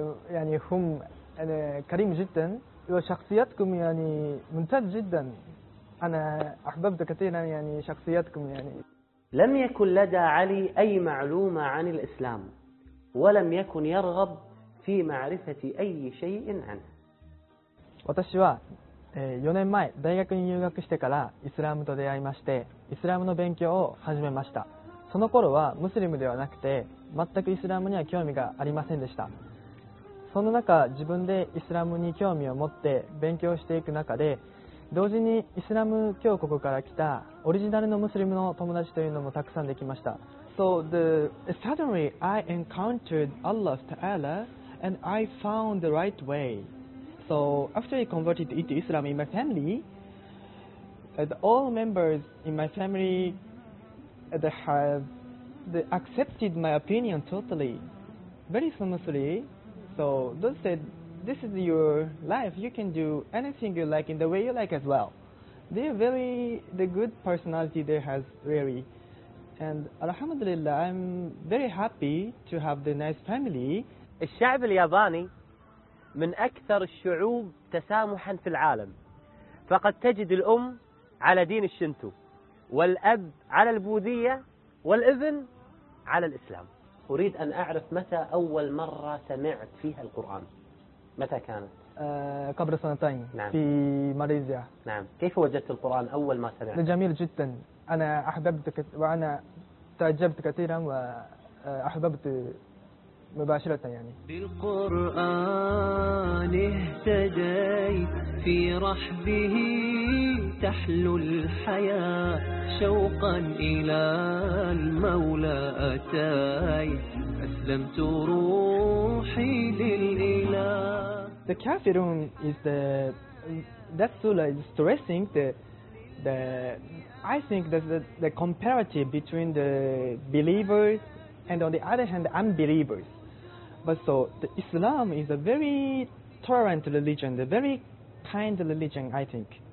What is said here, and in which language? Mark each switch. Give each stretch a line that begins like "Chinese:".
Arabic: يعني هم كريم جدا، وشخصياتكم يعني ممتاز جدا، أنا أحببت كثيرا يعني شخصياتكم يعني. لم يكن لدى علي أي معلومة عن الإسلام، ولم يكن يرغب في معرفة أي شيء عنه.
Japanese: 私は4年前大学に入学してからイスラムと出会いまして、イスラムの勉強を始めました。その頃はムスリムではなくて、全くイスラムには興味がありませんでした。その中、自分でイスラムに興味を持って勉強していく中で、同時にイスラム教国から来たオリジナルのムスリムの友達というのもたくさんできました。
English: So suddenly I encountered Allah Ta'ala and I found the right way. So after I converted into Islam in my family, all members in my family they accepted my opinion totally, very smoothly. So those said, this is your life, you can do anything you like in the way you like as well. They are very, the good personality they have really. And alhamdulillah, I'm very happy to have the nice family.
Arabic: الشعب الياباني من أكثر الشعوب تسامحا في العالم، فقد تجد الأم على دين الشنتو، والأب على البوذية، والابن على الإسلام. أريد أن أعرف متى أول مرة سمعت فيها القرآن، متى كانت؟ قبل سنتين. نعم. في ماليزيا. نعم. كيف وجدت القرآن أول ما سمعت؟ جميل جدا، أنا أحببت وأنا تعجبت كثيرا وأحببت مباشرة يعني. بالقرآن اهتديت، في رحبه تحلو الحياة شوقا إلى المولى أتاي أسلمت روحي للإله.
English: The kafirun is the that surah is stressing the I think that the comparative between the believers and on the other hand the unbelievers. But so the Islam is a very tolerant religion, a very kind religion, I think.